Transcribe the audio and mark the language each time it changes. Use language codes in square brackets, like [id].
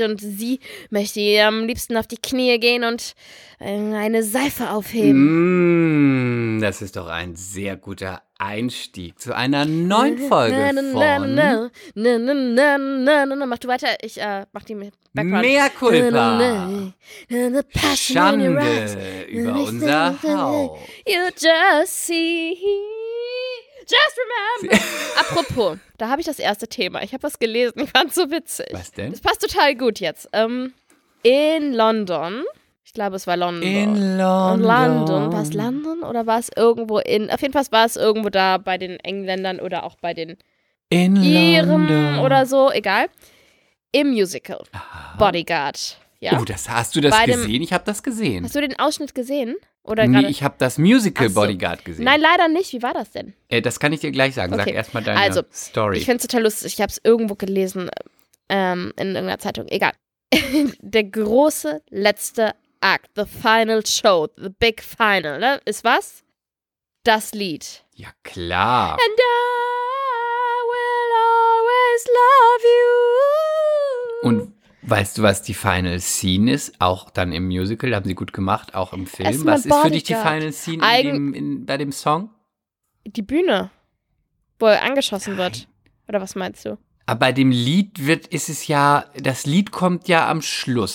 [de] Und sie möchte ihr am liebsten auf die Knie gehen und eine Seife aufheben. Das ist doch ein sehr guter Einstieg zu einer neuen Folge von... Mach du weiter, ich mach die Background. [la] Mea Culpa. [de] Schande über unser Haupt. [en] You just see, just remember. [de] Apropos, da habe ich das erste Thema. Ich habe was gelesen, ich fand es so witzig. Was denn? Das passt total gut jetzt. In London... Ich glaube, es war London. In London. War es London oder war es irgendwo in... Auf jeden Fall war es irgendwo da bei den Engländern oder auch bei den Iren oder so. Egal. Im Musical. Aha. Bodyguard. Ja. Oh, hast du das gesehen? Ich habe das gesehen. Hast du den Ausschnitt gesehen? Oder nee, ich habe das Musical Bodyguard gesehen. Nein, leider nicht. Wie war das denn? Das kann ich dir gleich sagen. Okay. Sag erstmal deine Story. Ich finde es total lustig. Ich habe es irgendwo gelesen in irgendeiner Zeitung. Egal. Der große letzte Act, [en] the final show, the big final, [de] ne? Ist was? Das Lied. Ja, klar. [en] And I will always love you. [de] Und weißt du, was die final scene ist? Auch dann im Musical, haben sie gut gemacht, auch im Film. Ist was Bodyguard. Ist für dich die final scene bei dem Song? Die Bühne, wo er angeschossen wird. Oder was meinst du? Aber bei dem Lied das Lied kommt ja am Schluss.